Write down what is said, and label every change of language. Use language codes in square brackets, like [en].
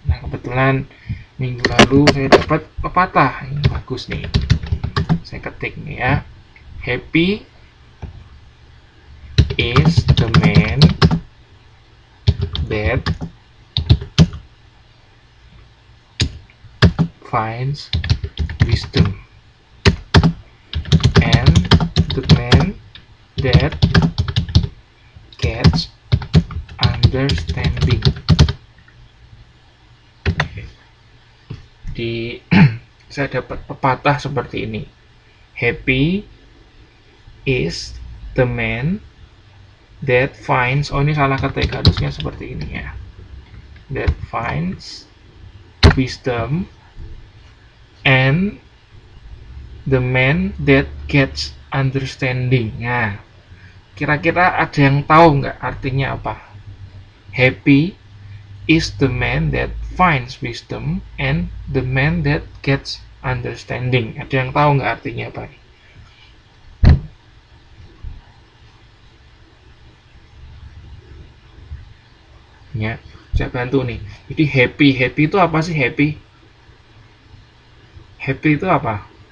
[id] Nah, kebetulan minggu lalu saya dapat pepatah. Ini bagus nih. Saya ketik nih ya. [en] Happy is the man that finds wisdom and the man that gets understanding. [id] Di saya dapat pepatah seperti ini. [en] Happy is the man that finds, [id] oh ini salah ketik, harusnya seperti ini ya. [en] That finds wisdom and the man that gets understanding. [id] Nah, kira-kira ada yang tahu nggak artinya apa? [en] Happy is the man that finds wisdom and the man that gets understanding. [id] Ada yang tahu nggak artinya apa? Ya, saya bantu nih. Jadi happy, happy itu apa sih happy? Happy itu apa?